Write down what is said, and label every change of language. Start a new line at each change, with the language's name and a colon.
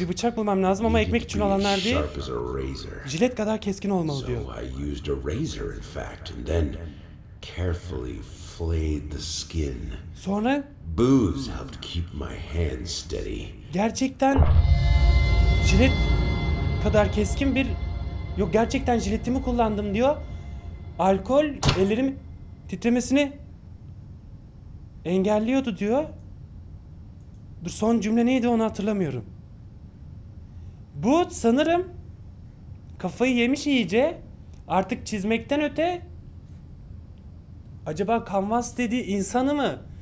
Turkish: Bir bıçak bulmam lazım ama ekmek için olanlar değil. Jilet kadar keskin olmalı diyor.
English: So I used a razor in fact and then carefully flayed the skin.
Turkish: Sonra
English: booze helped keep my hands steady.
Turkish: Gerçekten jilet kadar keskin bir yok gerçekten jiletimi kullandım diyor. Alkol ellerim titremesini engelliyordu diyor. Dur son cümle neydi onu hatırlamıyorum. Bu sanırım kafayı yemiş iyice artık çizmekten öte acaba kanvas dediği insanı mı?